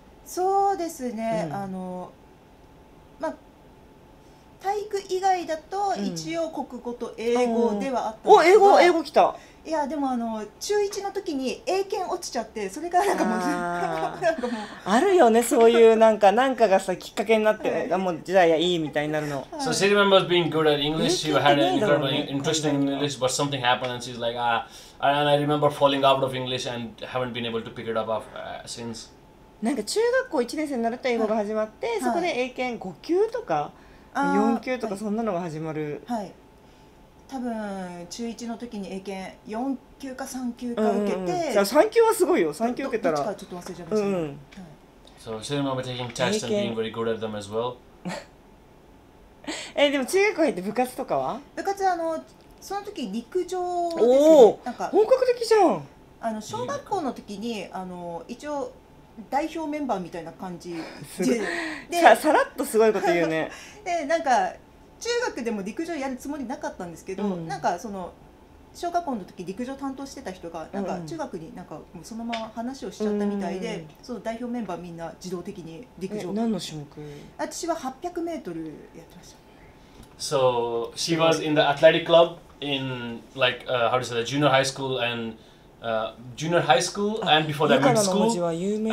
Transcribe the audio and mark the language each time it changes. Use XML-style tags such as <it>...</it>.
<ja>そうですね、うん、あの、まあ、体育以外だと一応国語と英語ではあったんですけど、うん、お、英語、英語きた。いやでもあの中1の時に英検落ちちゃって、それからなんかもう、あるよね、そういうなんか、なんかがさきっかけになって、はい、もう時代はいいみたいになるの。</ja> <en>So she remembers being good at English. She had an incredible interest in English, but something happened and she's like, and I remember falling out of English and haven't been able to pick it up since.</en> <ja>なんか中学校1年生になると英語が始まって、はい、そこで英検5級とか4級とかそんなのが始まる、はいはい、多分中1の時に英検4級か3級か受けて、うんうん、じゃあ3級はすごいよ、3級受けたらどっちかちょっと忘れちゃいました、ね、うん、</ja> <en>はい、So she remember taking tests and being very good at them as well.</en> <ja>でも中学校入って部活とかは、部活はあのその時陸上ですね。おー、なんか本格的じゃん。あの小学校の時にあの一応代表メンバーみたいな感じで、で さらっとすごいこと言うね。でなんか中学でも陸上やるつもりなかったんですけど、うん、なんかその小学校の時陸上担当してた人がなんか中学になんかもうそのまま話をしちゃったみたいで、うん、その代表メンバーみんな自動的に陸上。何の種目？私は 800m やってました。</ja> <en>So she was in the athletic club in like how do you say that, junior high school andjunior high school and before that middle school</en>